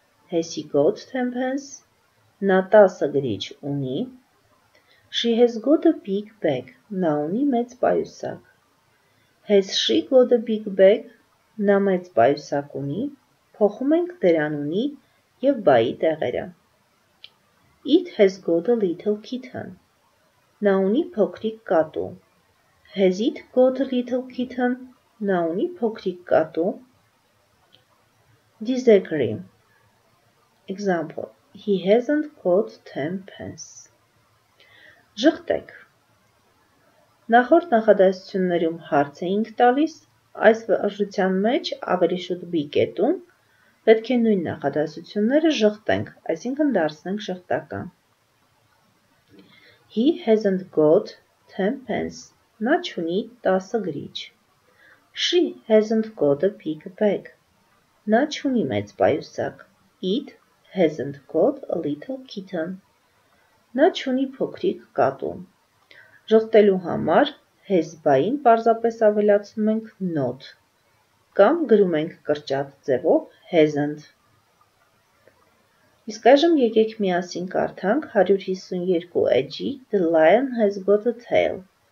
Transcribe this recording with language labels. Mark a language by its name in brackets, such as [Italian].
[English] Has he got 10 pence? [Armenian] Նա 10 գրիչ ունի. [English] She has got a big bag. [Armenian] Նա ունի մեծ պայուսակ. [English] Has she got a big bag? [Armenian] Նա մեծ պայուսակ ունի. Փոխում ենք դրանունի և բայի տեղերը. [English] It has got a little kitten. [Armenian] Նա ունի փոքրիկ կատու. [English] Has it got a little kitten? [Armenian] Նա ունի փոքրիկ կատու. [English] Disagree. Example. He hasn't got 10 pence. [Armenian] Ժխտեք. Նախորդ նախադասություններում հարց էինք տալիս, այս վարժության մեջ ավելի շուտ B կետում, պետք է նույն նախադասությունները ժխտենք, այսինքն դարձնենք ժխտական. [English] He hasn't got 10 pence. [Armenian] Նա չունի 10 գրիչ. [English] She hasn't got a big bag. [Armenian] Նա չունի մեծ պայուսակ. [English] It hasn't got a little kitten. [Armenian] Նա չունի փոքրիկ կատու. Ժխտելու համար has by-ին պարզապես ավելացնում ենք not. Կամ գրում ենք կրճատ ձևով hasn't. Իսկ այժմ եկեք միասին կարդանք 152 էջի [English] The lion has got a tail.